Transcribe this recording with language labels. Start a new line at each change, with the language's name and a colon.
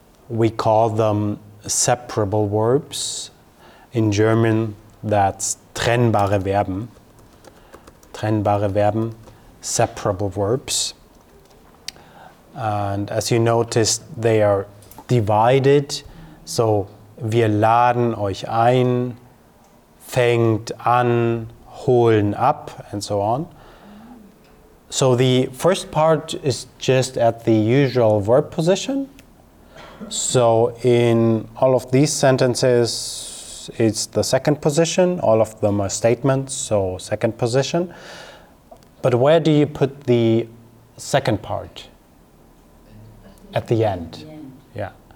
English: We call them separable verbs. In German, that's
German: trennbare Verben. Trennbare Verben,
English: separable verbs. And as you noticed, they are divided.
German: So, wir laden euch ein, fängt an, holen ab,
English: and so on. So the first part is just at the usual verb position. So in all of these sentences, it's the second position. All of them are statements, so second position. But where do you put the second part? At the end. Yeah.